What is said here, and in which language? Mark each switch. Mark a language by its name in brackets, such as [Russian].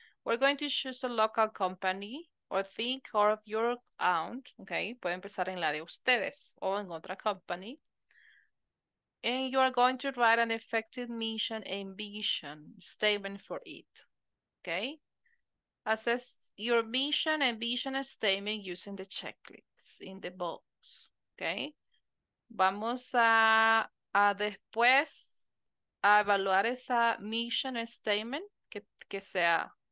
[English] We're going to choose a local company or think of your own, okay? [Spanish] Puede empezar en la de ustedes o en otra company. [English] And you are going to write an effective mission and vision statement for it, okay? Assess your mission and vision statement using the checklist in the box, okay? [Spanish] Vamos a después a evaluar esa mission statement que sea...